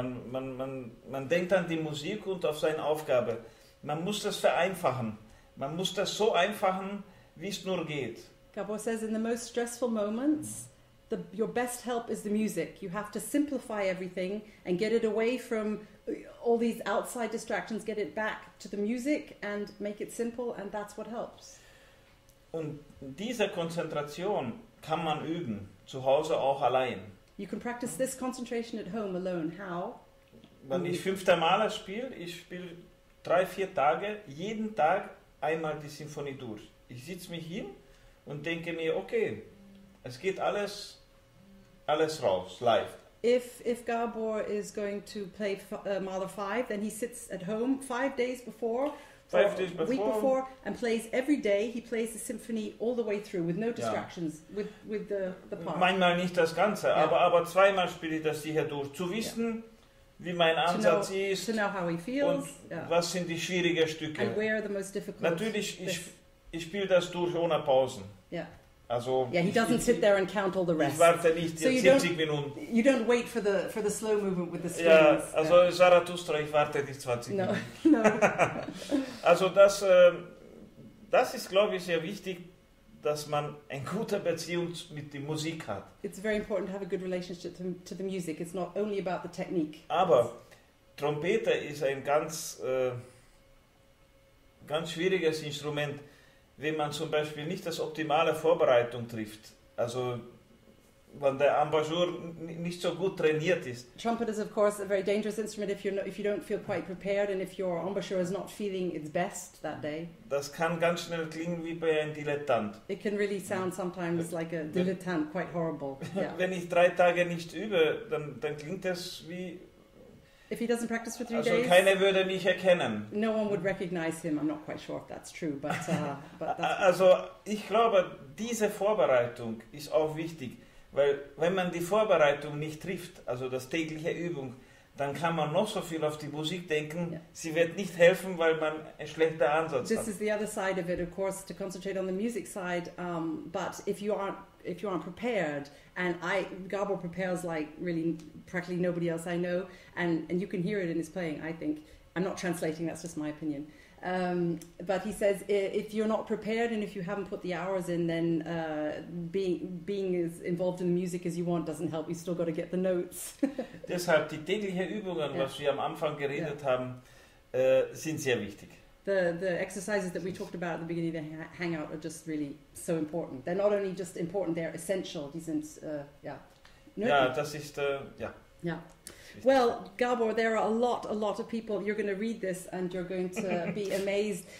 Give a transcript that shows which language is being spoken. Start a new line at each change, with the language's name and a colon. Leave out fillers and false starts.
German: Man denkt an die Musik und auf seine Aufgabe. Man muss das vereinfachen. Man muss das so einfachen, wie es nur geht.
English: Gabor says, in the most stressful moments, your best help is the music. You have to simplify everything and get it away from all these outside distractions, get it back to the music and make it simple, and that's what helps.
German: Und diese Konzentration kann man üben. Zu Hause auch allein.
English: You can practice this concentration at home alone. How?
German: Wenn ich fünfte Mal spiele, ich spiele 3-4 Tage, jeden Tag einmal die Sinfonie durch. Ich sitze mich hin und denke mir, okay, es geht alles raus, live.
English: If Gabor is going to play Mahler 5, then he sits at home 5 days before, week before, and plays every day. He plays the symphony all the way through with no distractions, with the part.
German: Manchmal nicht das Ganze, aber zweimal spiele ich das hier durch, zu wissen, wie mein Ansatz ist.
English: To know how he feels.
German: Und was sind die schwierigen Stücke.
English: And where are the most difficult.
German: Natürlich, ich spiele das durch ohne Pausen.
English: Yeah.
German: Also.
English: Yeah, he doesn't sit there and count all the rest.
German: Ich warte nicht 70 Minuten.
English: You don't wait for the slow movement with the strings.
German: Ja, also Zarathustra, ich warte nicht 20 Minuten.
English: No.
German: Also das ist, glaube ich, sehr wichtig, dass man eine gute Beziehung mit der Musik hat.
English: It's very important to have a good relationship to the music. It's not only about the technique.
German: Aber Trompete ist ein ganz, ganz schwieriges Instrument, wenn man zum Beispiel nicht das optimale Vorbereitung trifft. Also wenn der Embouchure nicht so gut trainiert ist.
English: Trumpet is of course a very dangerous instrument if you don't feel quite prepared and if your embouchure is not feeling its best that day.
German: Das kann ganz schnell klingen wie bei einem Dilettant.
English: It can really sound sometimes like a dilettant, quite horrible. Yeah.
German: Wenn ich 3 Tage nicht übe, dann klingt das wie.
English: If he doesn't practice for 3
German: also
English: days.
German: Also keiner würde mich erkennen.
English: No one would recognize him. I'm not quite sure if that's true, but
German: also ich glaube, diese Vorbereitung ist auch wichtig. Weil wenn man die Vorbereitung nicht trifft, also das tägliche Übung, dann kann man noch so viel auf die Musik denken, yeah. sie wird nicht helfen, weil man einen schlechten Ansatz
English: This
German: hat.
English: This is the other side of it, of course, to concentrate on the music side, but if you aren't prepared, and Gabor prepares like really practically nobody else I know, and you can hear it in his playing, I think. I'm not translating, that's just my opinion. But he says, if you're not prepared and if you haven't put the hours in, then being as involved in the music as you want doesn't help. You still got to get the notes.
German: Deshalb die tägliche Übungen, yeah. was wir am Anfang geredet yeah. haben, sind sehr wichtig.
English: The exercises that we talked about at the beginning of the hangout are just really so important. They're not only just important, they're essential.
German: Die sind, nötig. Ja, das ist, ja. Ja.
English: Well, Gabor, there are a lot of people. You're going to read this and you're going to be amazed.